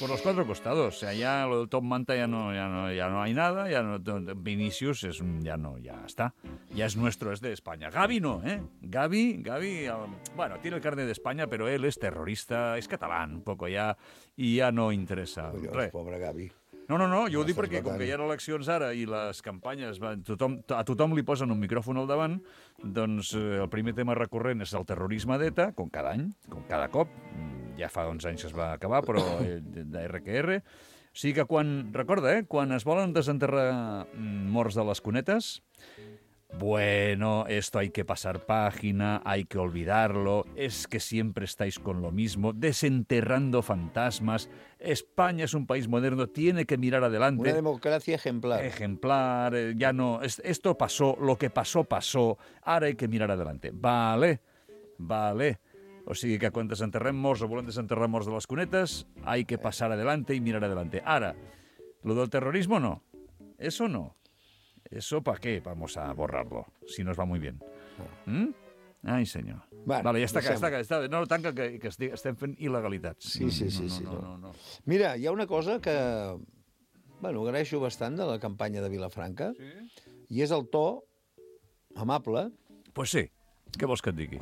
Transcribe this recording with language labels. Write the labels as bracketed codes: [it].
[es] Por los cuatro costados. O sea, ya lo del Top Manta ya no hay nada. Ya no, Vinicius es, ya no, ya está. Ya es nuestro, es de España. Gavi no, ¿eh? Gavi, bueno, tiene el carnet de España, pero él es terrorista, es catalán un poco ya, y ya no interesa. Dios, pobre Gavi. [ca] No, jo ho dic perquè com que hi ha eleccions ara i les campanyes, a tothom li posen un micròfon al davant, doncs el primer tema recurrent és el terrorisme d'ETA, com cada any, com cada cop, ja fa 11 anys que es va acabar, però d'RQR. O sigui que quan, recorda, quan es volen desenterrar morts de les cunetes, [es] bueno, esto hay que pasar página, hay que olvidarlo, es que siempre estáis con lo mismo, desenterrando fantasmas. España es un país moderno, tiene que mirar adelante. Una democracia ejemplar. Ejemplar, ya no, esto pasó, lo que pasó, pasó, ahora hay que mirar adelante. [ca] Vale. O sigui que quan desenterrem morts o volem desenterrar morts de les cunetes, [es] hay que pasar adelante y mirar adelante. Ara, lo del terrorismo no, eso no. ¿Eso para qué vamos a borrarlo? Si nos va muy bien. ¿Mm? Ay, señor. Bueno, vale, ya está. [ca] No, tanca, que estem fent il·legalitats. Sí. Mira, hi ha una cosa que... Bueno, agraeixo bastant de la campanya de Vilafranca. Sí? I és el to amable. Pues sí. Què vols que et digui?